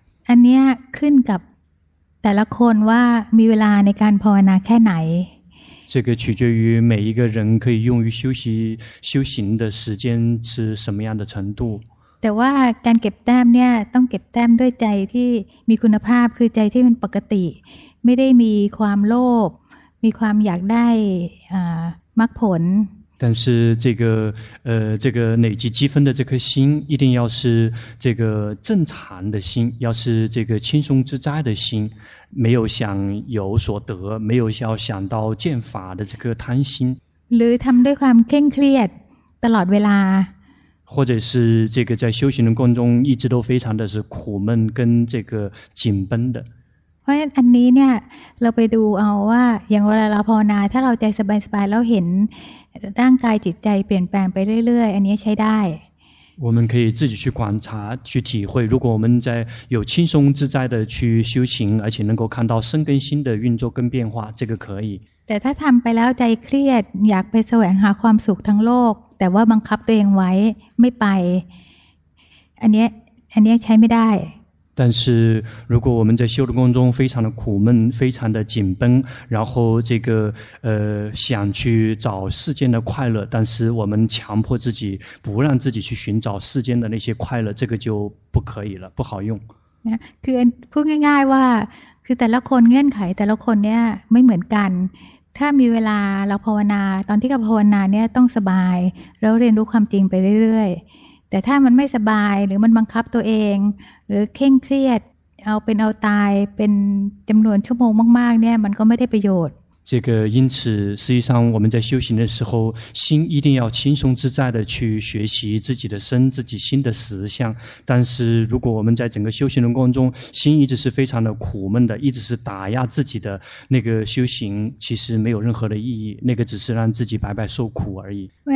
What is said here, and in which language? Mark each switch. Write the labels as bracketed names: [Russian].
[Thai] อันนี้ขึ้นกับแต่ละคนว่ามีเวลาในการภาวนาแค่ไหน [Chinese] 这个取决于每一个人可以用于修行的时间是什么样的程度 [Thai] แต่ว่าการเก็บแต้มเนี่ยต้องเก็บแต้มด้วยใจที่มีคุณภาพคือใจที่มันปกติไม่ได้มีความโลภมีความอยากได้มรรคผล [Chinese] 但是这个这个累积积分的这颗心一定要是这个正常的心要是这个轻松自在的心没有想有所得没有要想到见法的这颗贪心 [Thai] หรือทำด้วยความเคร่งเครียดตลอดเวลา [Chinese] 或者是这个在修行的过程中一直都非常的是苦闷跟这个紧绷的 [Thai] เพราะฉะนั้นอันนี้เนี่ยเราไปดูเอาว่าอย่างเวลาเราภาวนาถ้าเราใจสบายๆเราเห็นร่างกายจิตใจเปลี่ยนแปลงไปเรื่อยๆอันนี้ใช้ได้ [Chinese] 我们可以自己去观察去体会如果我们在有轻松自在的去修行而且能够看到身跟心的运作跟变化这个可以 [Thai] แต่ถ้าทำไปแล้วใจเครียดอยากไปแสวงหาความสุขทั้งโลกแต่ว่าบังคับตัวเองไว้ไม่ไปอันนี้ใช้ไม่ได้ [Chinese] 但是如果我们在修的过程中非常的苦闷非常的紧绷然后这个想去找世间的快乐但是我们强迫自己不让自己去寻找世间的那些快乐这个就不可以了不好用 [Thai] คือพูดง่ายๆว่าคือแต่ละคนเงื่อนไขแต่ละคนเนี่ยไม่เหมือนกันถ้ามีเวลาเราภาวนาตอนที่เราภาวนาเนี่ยต้องสบายเราเรียนรู้ความจริงไปเรื่อยๆแต่ถ้ามันไม่สบายหรือมันบังคับตัวเองหรือเคร่งเครียดเอาเป็นเอาตายเป็นจำนวนชั่วโมงมากๆเนี่ยมันก็ไม่ได้ประโยชน์ [Chinese] 这个因此实际上我们在修行的时候心一定要轻松自在的去学习自己的身自己心的实相但是如果我们在整个修行的过程中心一直是非常的苦闷的一直是打压自己的那个修行其实没有任何的意义那个只是让自己白白受苦而已